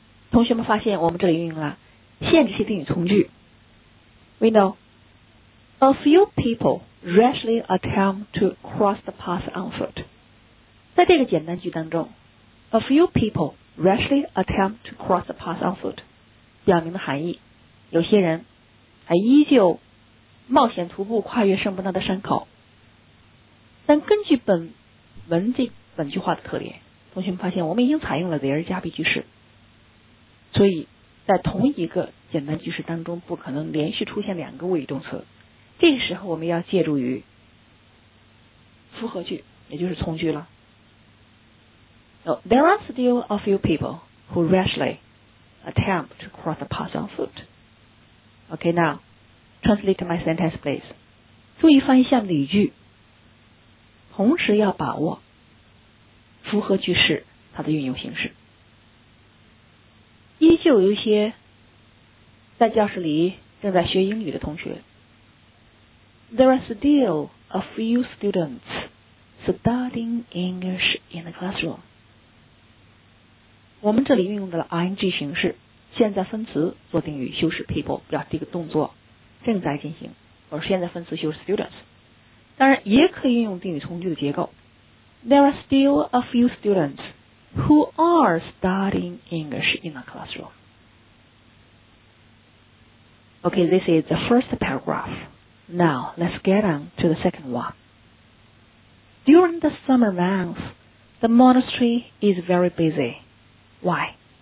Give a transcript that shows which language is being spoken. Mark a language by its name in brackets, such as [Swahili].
[Chinese] 同学们发现我们这里运用了限制性定语从句。 [English] We know a few people rashly attempt to cross the path on foot. [Chinese] 在这个简单句当中 [English] A few people rashly attempt to cross the path on foot [Chinese] 表明的含义，有些人还依旧冒险徒步跨越圣伯纳的山口。但根据本文这本句话的特点，同学们发现我们已经采用了 there 加 be 句式，所以在同一个简单句式当中不可能连续出现两个谓语动词。这个时候我们要借助于复合句，也就是从句了。 [English] Oh, there are still a few people who rashly attempt to cross the path on foot. Okay, now, translate my sentence, please. [Chinese] 注意翻译下面的语句，同时要把握复合句式它的运用形式。依旧有一些在教室里正在学英语的同学。 [English] There are still a few students studying English in the classroom. [Chinese] 我们这里运用的了 ing 形式，现在分词做定语修饰 people 表示这个动作正在进行，或者现在分词修饰 students。当然也可以运用定语从句的结构。 [English] There are still a few students who are studying English in the classroom. Okay, this is the first paragraph. Now, let's get on to the second one. During the summer months, the monastery is very busy. Why?